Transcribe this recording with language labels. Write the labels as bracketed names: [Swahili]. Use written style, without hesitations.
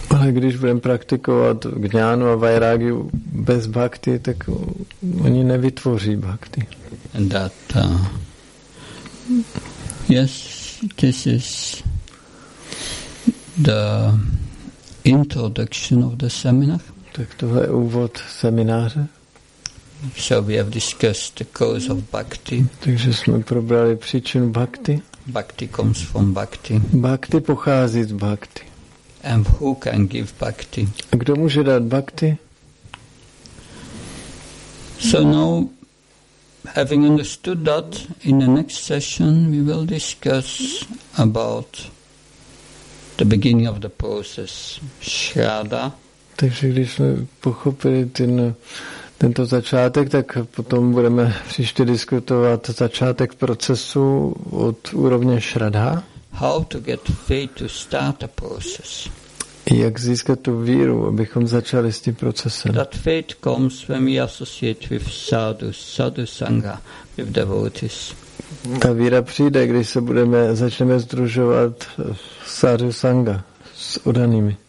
[Czech] Ale když budeme praktikovat jnanu a vairagyu bez bhakti, tak oni nevytvoří bhakti. [English] That yes, this is the introduction of the seminar. [Czech] Tak tohle je úvod semináře. [English] So we have discussed the cause of bhakti. [Czech] Takže jsme probrali příčinu bhakti. [English] Bhakti comes from bhakti. [Czech] Bhakti pochází z bhakti. [English] And who can give bhakti? [Czech] A kdo může dát bhakti? [English] So now, having understood that, in the next session we will discuss about the beginning of the process, shraddha. [Czech] Takže když jsme pochopili tento začátek, tak potom budeme příště diskutovat začátek procesu od úrovně shraddha. [English] How to get faith to start a process. [Czech] Jak získat tu víru, abychom začali s tím procesem. [English] That faith comes when we associate with sadhu sangha, with devotees. [Czech] Ta víra přijde, když se začneme združovat sadhu sangha s udanými.